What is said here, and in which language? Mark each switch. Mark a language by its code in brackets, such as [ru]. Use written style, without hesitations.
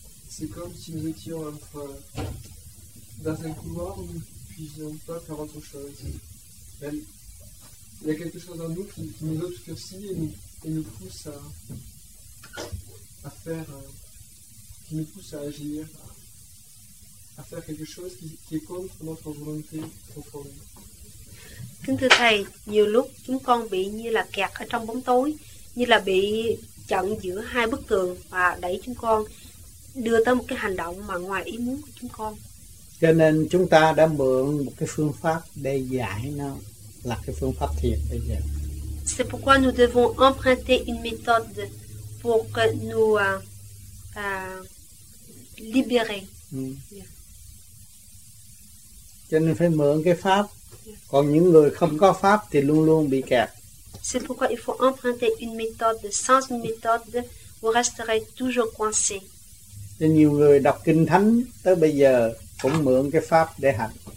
[fr] C'est comme si nous étions dans un couloir où nous ne puissions pas faire autre chose. Il y a quelque chose en nous qui nous obscurcit et nous pousse à agir, à faire quelque chose qui est contre notre volonté profonde. [vi] Kính thưa Thầy, nhiều lúc chúng con bị như là kẹt ở trong bóng tối, như là bị chặn giữa hai bức tường và đẩy chúng con đưa tới một cái hành động mà ngoài ý muốn của chúng con. Cho nên chúng ta đã mượn một cái phương pháp để giải nó, là cái phương pháp thiền bây giờ. [fr] C'est pourquoi nous devons emprunter une méthode pour que nous libérer. Yeah. [vi] Cho nên phải mượn cái pháp. Còn những người không có pháp thì luôn luôn bị kẹt. [fr] C'est pourquoi il faut emprunter une méthode. Sans une méthode, vous resterez toujours coincé. Et [vi] nhiều người đọc kinh thánh tới bây giờ cũng mượn cái pháp để hành.